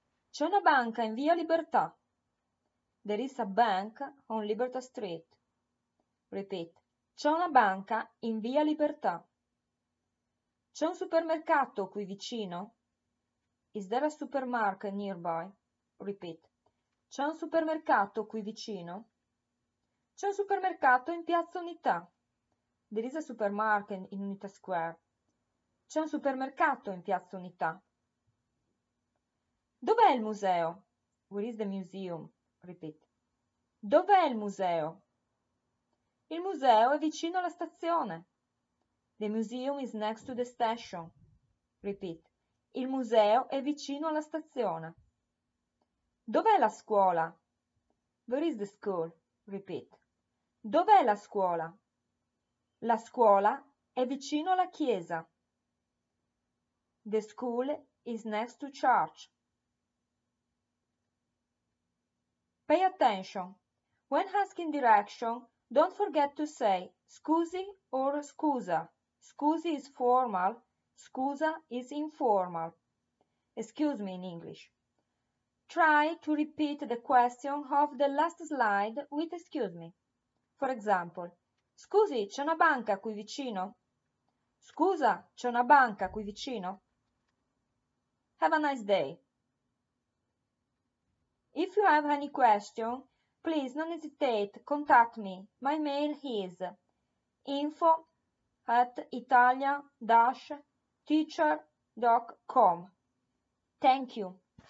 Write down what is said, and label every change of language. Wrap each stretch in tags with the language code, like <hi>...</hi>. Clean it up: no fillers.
<it>C'è una banca in Via Libertà.</it> <en>There is a bank on Liberty Street. Repeat.</en> <it>C'è una banca in Via Libertà. C'è un supermercato qui vicino?</it> <en>Is there a supermarket nearby? Repeat.</en> <it>C'è un supermercato qui vicino? C'è un supermercato in Piazza Unità.</it> <en>There is a supermarket in Unità Square.</en> <it>C'è un supermercato in Piazza Unità. Dov'è il museo?</it> <en>Where is the museum? Repeat.</en> <it>Dov'è il museo? Il museo è vicino alla stazione.</it> <en>The museum is next to the station. Repeat.</en> <it>Il museo è vicino alla stazione. Dov'è la scuola?</it> <en>Where is the school? Repeat.</en> <it>Dov'è la scuola? La scuola è vicino alla chiesa.</it> <en>The school is next to church. Pay attention. When asking direction, don't forget to say scusi or scusa. Scusi is formal, scusa is informal. Excuse me in English. Try to repeat the question of the last slide with excuse me. For example,</en> <it>scusi, c'è una banca qui vicino? Scusa, c'è una banca qui vicino?</it> <en>Have a nice day. If you have any question, please don't hesitate, contact me. My mail is info@italia-teacher.com. Thank you.</en>